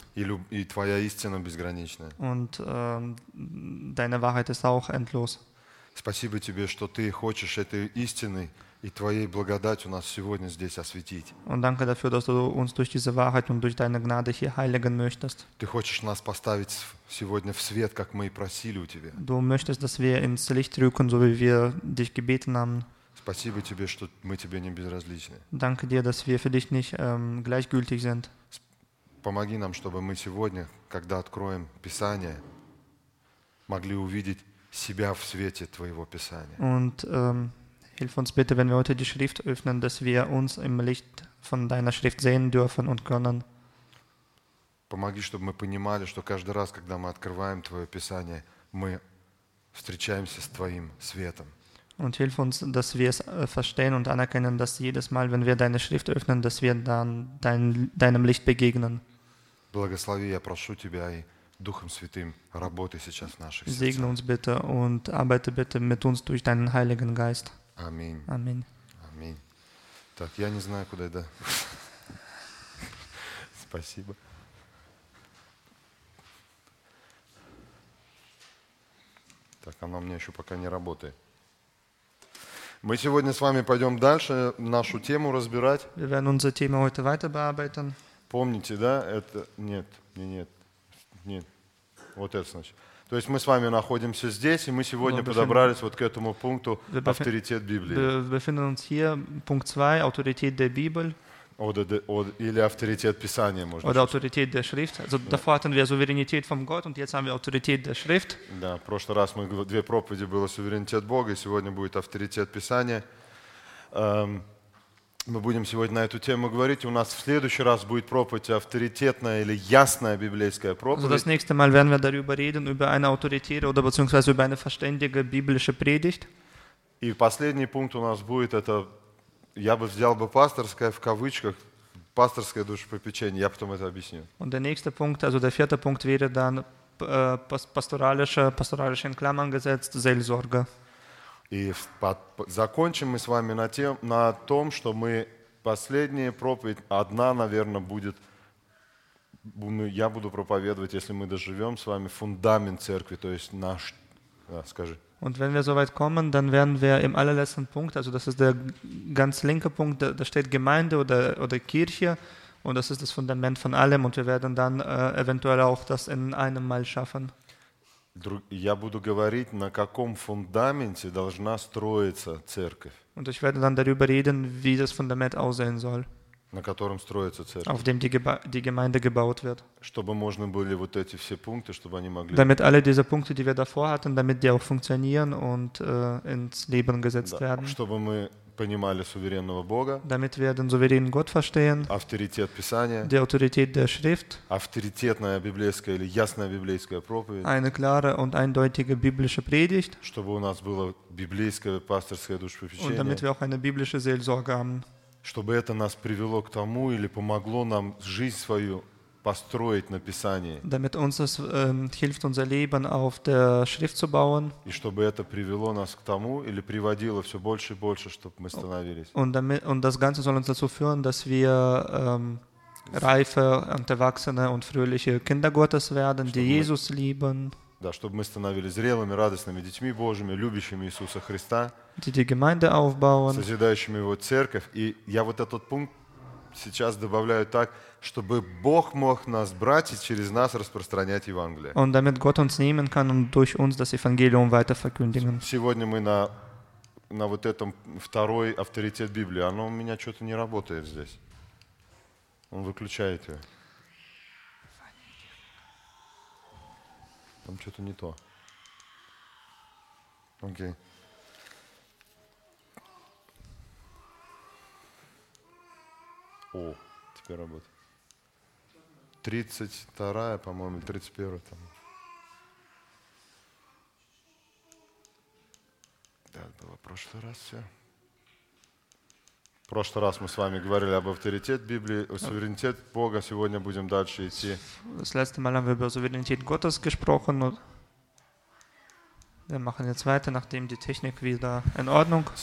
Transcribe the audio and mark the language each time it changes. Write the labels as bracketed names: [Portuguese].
[Russian] И твоя истина безграничная. [German] Und deine Wahrheit ist auch endlos. [Russian] Спасибо тебе, что ты хочешь этой истины и твоей благодать у нас сегодня здесь осветить. [German] Und danke dafür, dass du uns durch diese Wahrheit und durch deine Gnade hier heiligen möchtest. [Russian] Ты хочешь нас поставить сегодня в свет, как мы и просили у тебя. [German] Du möchtest, dass wir ins Licht rücken, so wie wir dich gebeten haben. [Russian] Спасибо тебе, что мы тебе не безразличны. [German] Danke dir, dass wir für dich nicht gleichgültig sind. [Russian] Помоги нам, чтобы мы сегодня, когда откроем Писание, могли увидеть себя в свете твоего Писания. [German] Und hilf uns bitte, wenn wir heute die Schrift öffnen, dass wir uns im Licht von deiner Schrift sehen dürfen und können. [Russian] Помоги, чтобы мы понимали, что каждый раз, когда мы открываем твое Писание, мы встречаемся с твоим светом. [German] Und hilf uns, dass wir es verstehen und anerkennen, dass jedes Mal, wenn wir deine Schrift öffnen, dass wir dann deinem Licht begegnen. [Russian] Благослови, я прошу тебя и Духом Святым, работай сейчас в наших сердцах. [German] Segne uns bitte und arbeite bitte mit uns durch deinen Heiligen Geist. [Russian] Аминь. Аминь. Аминь. Так, я не знаю, куда это. Спасибо. Так, оно у меня еще пока не работает. Мы сегодня с вами пойдем дальше нашу тему разбирать. [German] Wir werden unsere Thema heute weiter bearbeiten. [Russian] Помните, да? Это нет, не нет, нет. Вот это значит. То есть мы с вами находимся здесь, и мы сегодня подобрались вот к этому пункту авторитет Библии. [German] Wir befinden uns hier, Punkt 2, Autorität der Bibel. [Russian] Или авторитет Писания, можно сказать. [German] Oder Autorität der Schrift. Also, yeah. Davor hatten wir Souveränität von Gott, und jetzt haben wir Autorität der Schrift. [Russian] Да, в прошлый раз мы две проповеди было суверенитет Бога, и сегодня будет авторитет Писания. Мы будем сегодня на эту тему говорить. У нас в следующий раз будет проповедь авторитетная или ясная библейская проповедь. [German] Das nächste Mal werden wir darüber reden, über eine autoritäre oder beziehungsweise über eine verständige biblische Predigt. [Russian] И последний пункт у нас будет, это я бы взял бы пасторское в кавычках, пасторское душепопечение, я потом это объясню. [German] Und der nächste Punkt, also der vierte Punkt wäre dann pastoralische in Klammern gesetzt, Seelsorge. [Russian] И закончим мы с вами на том, что мы последняя проповедь, одна, наверное, будет, я буду проповедовать, если мы доживем с вами, фундамент церкви, то есть наш, да, скажи. [German] Und wenn wir so weit kommen, dann werden wir im allerletzten Punkt, also das ist der ganz linke Punkt, da steht Gemeinde oder Kirche, und das ist das Fundament von allem, und wir werden dann eventuell auch das in einem Mal schaffen. [Russian] Я буду говорить, на каком фундаменте должна строиться церковь. [German] Und ich werde dann darüber reden, wie das Fundament aussehen soll. [Russian] На котором строится церковь. [German] Auf dem die Gemeinde gebaut wird. [Russian] Чтобы можно были вот эти все пункты, чтобы они могли. [German] Damit alle diese Punkte, die wir davor hatten, damit die auch funktionieren und ins Leben gesetzt werden. [Russian] Чтобы мы понимали суверенного Бога. [German] Damit wir den souveränen Gott verstehen. [Russian] Авторитет Писания. [German] Die Autorität der Schrift. [Russian] Авторитетная библейская или ясная библейская проповедь. [German] Eine klare und eindeutige biblische Predigt. [Russian] Чтобы у нас было библейское пасторское душепопечение. [German] Und damit wir auch eine biblische Seelsorge haben. [Russian] Чтобы это нас привело к тому или помогло нам жизнь свою построить на Писании. [German] Damit uns es hilft, unser Leben auf der Schrift zu bauen. [Russian] И чтобы это привело нас к тому или приводило все больше и больше, чтобы мы становились. [German] Und das Ganze soll uns dazu führen, dass wir reife und erwachsene und fröhliche Kinder Gottes werden, die Jesus lieben. [Russian] Да, чтобы мы становились зрелыми, радостными детьми Божьими, любящими Иисуса Христа. [German] Die Gemeinde aufbauen. [Russian] Созидающими его церковь. И я вот этот пункт сейчас добавляю так, чтобы Бог мог нас брать и через нас распространять Евангелие. [German] Und damit Gott uns nehmen kann und durch uns das Evangelium weiter verkündigen. [Russian] Сегодня мы на вот этом второй авторитет Библии. Оно у меня что-то не работает здесь. Он выключает ее. Там что-то не то. Окей. О, теперь работает. 32-я, по-моему, 31-я там. Да, это было в прошлый раз все. В прошлый раз мы с вами говорили об авторитет Библии, о суверенитет Бога. Сегодня будем дальше идти. [German] Das letzte Mal haben wir über Souveränität Gottes gesprochen. Wir machen jetzt weiter, nachdem die Technik wieder in Ordnung ist.